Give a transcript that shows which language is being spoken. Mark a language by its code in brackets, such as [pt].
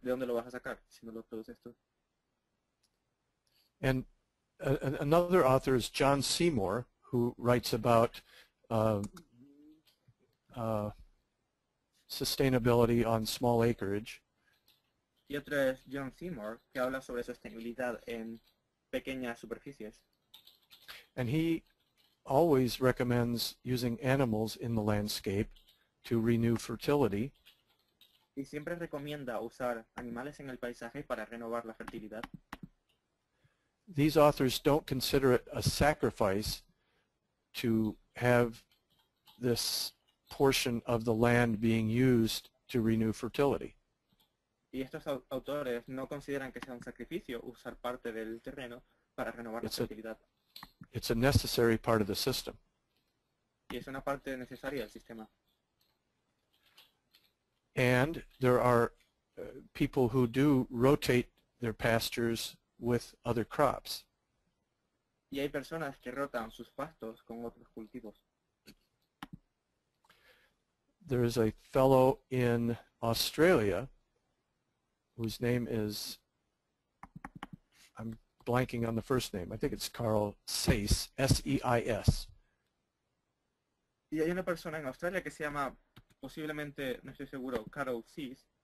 [es] ¿De dónde lo vas a sacar si no lo produces tú? [en] And another author is John Seymour, who writes about sustainability on small acreage. [es] Y otro es John Seymour, que habla sobre sostenibilidad en pequeñas superficies. [en] And he always recommends using animals in the landscape to renew fertility. [es] Y siempre recomienda usar animales en el paisaje para renovar la fertilidad. [en] These authors don't consider it a sacrifice to have this portion of the land being used to renew fertility. [es] Y estos autores no consideran que sea un sacrificio usar parte del terreno para renovar la fertilidad. [en] It's a necessary part of the system. [es] Y es una parte necesaria del sistema. [en] And there are people who do rotate their pastures with other crops. [es] Y hay personas que rotan sus pastos con otros cultivos. [en] There is a fellow in Australia whose name is, I'm blanking on the first name, I think it's Carl Seis, S-E-I-S. [es] Y hay una persona en Australia que se llama, posiblemente, no estoy seguro, Carl Seis.